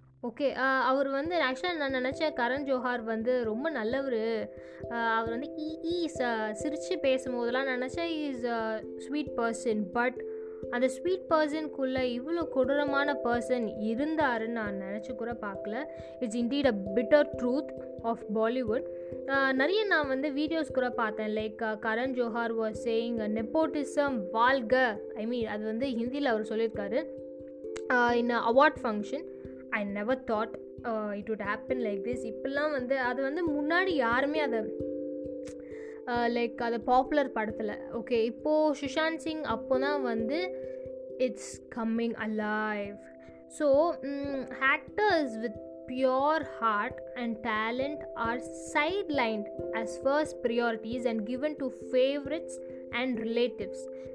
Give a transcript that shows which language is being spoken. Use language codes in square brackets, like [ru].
[ta] Okay, அவர் வந்து ஆக்சுவலாக நான் நினச்சேன் கரண் ஜோஹர் வந்து ரொம்ப நல்லவர், அவர் வந்து சிரித்து பேசும்போதெல்லாம் நினச்சேன் is a sweet person, but அந்த ஸ்வீட் பர்சனுக்குள்ளே இவ்வளோ கொடூரமான பர்சன் இருந்தாருன்னு நான் நினச்சி கூட பார்க்கல. It's indeed a bitter truth of Bollywood. நிறைய நான் வந்து வீடியோஸ் கூட பார்த்தேன், like Karan Johar was saying nepotism வாழ்க, ஐ மீன் அது வந்து ஹிந்தியில் அவர் சொல்லியிருக்காரு இன் அ award function. [en] I never thought it would happen like this. [ta] இப்போல்லாம் வந்து அது வந்து முன்னாடி யாருமே அதை லைக் அதை பாப்புலர் படத்தில், ஓகே இப்போது சுஷாந்த் சிங் அப்போ தான் வந்து it's coming alive. [en] So actors with pure heart and talent are sidelined as first priorities and given to favourites and relatives.